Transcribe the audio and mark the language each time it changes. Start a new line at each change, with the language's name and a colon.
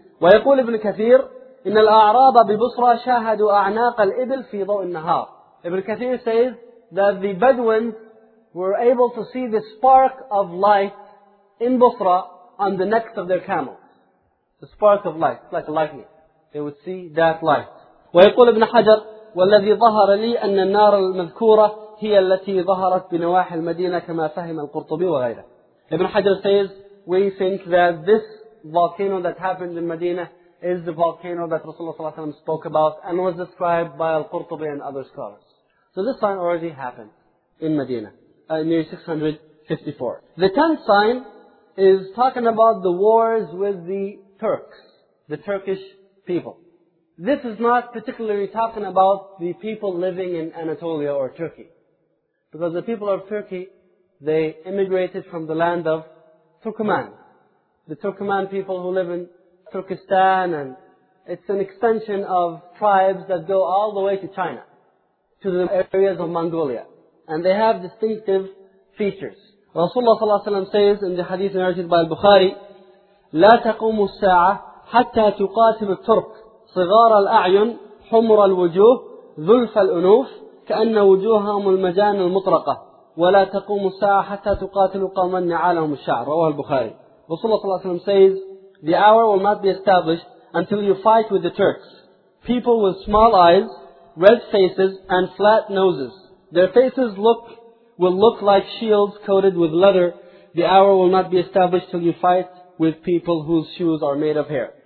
Arabic: وَيَقُولُ ابْنُ كَثِيرٍ إِنَّ الْأَعْرَابَ بِبُصْرَى شَاهَدُوا أَعْنَاقَ الْإِبْلِ فِي ضَوْءِ النَّهَارِ.
English: Ibn Kathir says that the Bedouins were able to see the spark of light in Busra on the necks of their camels. The spark of light, like a lightning. They would see that light.
Arabic: ويقول ابن حجر والذي ظهر لي أن النار المذكورة هي التي ظهرت بنواحي المدينة كما فهم القرطبي وغيره.
English: Ibn Hajar says, we think that this volcano that happened in Medina is the volcano that Rasulullah ﷺ spoke about and was described by Al-Qurtubi and other scholars. So this sign already happened in Medina, near 654. The tenth sign is talking about the wars with the Turks, the Turkish people. This is not particularly talking about the people living in Anatolia or Turkey. Because the people of Turkey, they immigrated from the land of Turkoman. The Turkoman people who live in Turkestan, and it's an extension of tribes that go all the way to China, to the areas of Mongolia. And they have distinctive features. Rasulullah sallallahu alayhi wa sallam says in the hadith narrated by al-Bukhari,
Arabic: لَا تَقُومُ السَّاعَةِ حَتَّى تُقَاتِمُ التُرْكِ صِغَارَ الْأَعْيُنِ حُمُرَ الْوُجُوهِ ذُلْفَ الْأُنُوفِ كَأَنَّ وُجُوهَهُمُ الْمَجَانِ الْمُطْرَقَةِ وَلَا تَقُومُ السَّاعَةِ حَتَّى تُقَاتِلُ قَوْمًا نَعَالَهُمُ الشَّعْرِ رواه البخاري.
English: Rasulullah sallallahu alayhi wa sallam says, the hour will not be established until you fight with the Turks. People with small eyes, red faces, and flat noses. Their faces will look like shields coated with leather. The hour will not be established till you fight with people whose shoes are made of hair.